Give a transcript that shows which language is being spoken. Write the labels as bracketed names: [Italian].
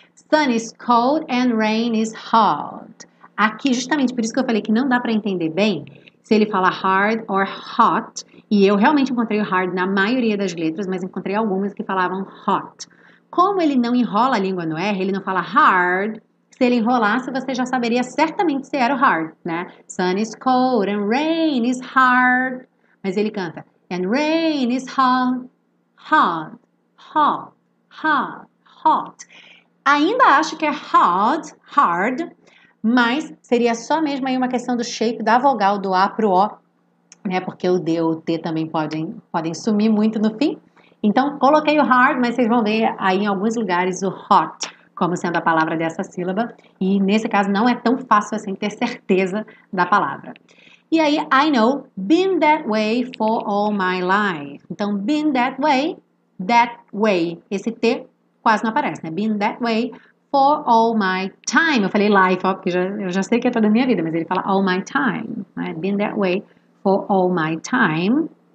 [English] Sun is cold and rain is hot. [Portuguese] Aqui, justamente por isso que eu falei que não dá para entender bem se ele fala [English] hard or hot. [Portuguese] E eu realmente encontrei o hard na maioria das letras, mas encontrei algumas que falavam hot. Como ele não enrola a língua no R, ele não fala hard. Se ele enrolasse, você já saberia certamente se era o hard, né? [English] Sun is cold and rain is hard. [Portuguese] Mas ele canta [English] and rain is hot, hot, hot, hot, hot. [Portuguese] Ainda acho que é hard, mas seria só mesmo aí uma questão do shape da vogal do A pro O, né? Porque o D ou o T também podem sumir muito no fim. Então, coloquei o hard, mas vocês vão ver aí em alguns lugares o hot como sendo a palavra dessa sílaba. E nesse caso, não é tão fácil assim ter certeza da palavra. E aí, [English] I know, been that way for all my life. [Portuguese] Então, [English] been that way. [Portuguese] Esse T quase não aparece, né? [English] Been that way for all my time. [Portuguese] Eu falei life, ó, porque eu já sei que é toda a minha vida, mas ele fala [English] all my time. [Portuguese] Né? [English] Been that way for all my time.